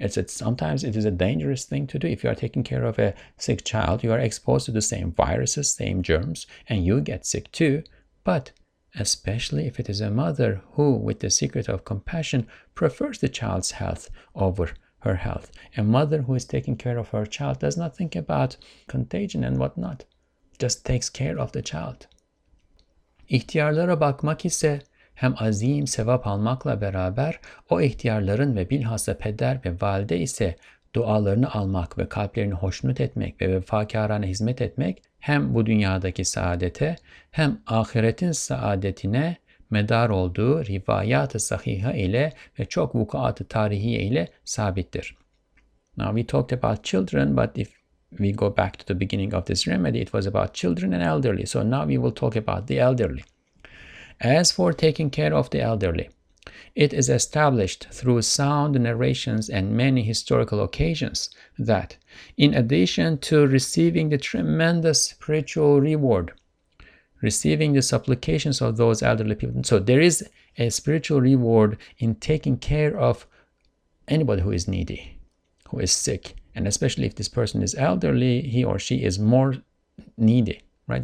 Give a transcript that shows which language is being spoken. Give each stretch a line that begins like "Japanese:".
English: Sometimes it is a dangerous thing to do. If you are taking care of a sick child, you are exposed to the same viruses, same germs, and you get sick too. But especially if it is a mother who, with the secret of compassion, prefers the child's health over her health. A mother who is taking care of her child does not think about contagion and whatnot, just takes care of the child.
Turkish: İhtiyarlara bakmak ise hem azim sevap almakla beraber, o ihtiyarların ve bilhassa peder ve valide ise dualarını almak ve kalplerini hoşnut etmek ve vefakârana hizmet etmek, hem bu dünyadaki saadete hem ahiretin saadetine medar olduğu rivayat-ı sahiha ile ve çok vukuat-ı tarihiye ile sabittir.
English: Now we talked about children, but if we go back to the beginning of this remedy, it was about children and elderly. So now we will talk about the elderly. As for taking care of the elderly, it is established through sound narrations and many historical occasions that, in addition to receiving the tremendous spiritual reward, receiving the supplications of those elderly people, so there is a spiritual reward in taking care of anybody who is needy, who is sick, and especially if this person is elderly, he or she is more needy, right?